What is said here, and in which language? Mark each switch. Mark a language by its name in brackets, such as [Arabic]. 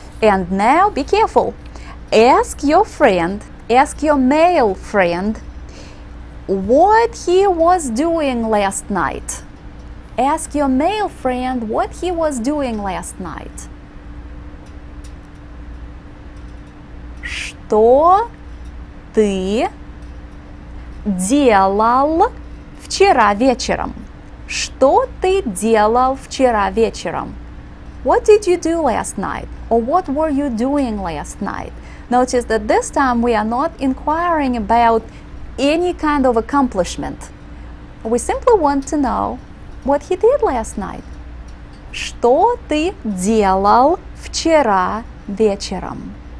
[English] And now be careful. Ask your friend, ask your male friend, what he was doing last night. Ask your male friend what he was doing last night. [Russian] Что ты делал вчера вечером? Что ты делал вчера вечером? [English] What did you do last night? Or what were you doing last night? Notice that this time we are not inquiring about any kind of accomplishment. We simply want to know what he did last night. [Russian] Что ты делал вчера вечером?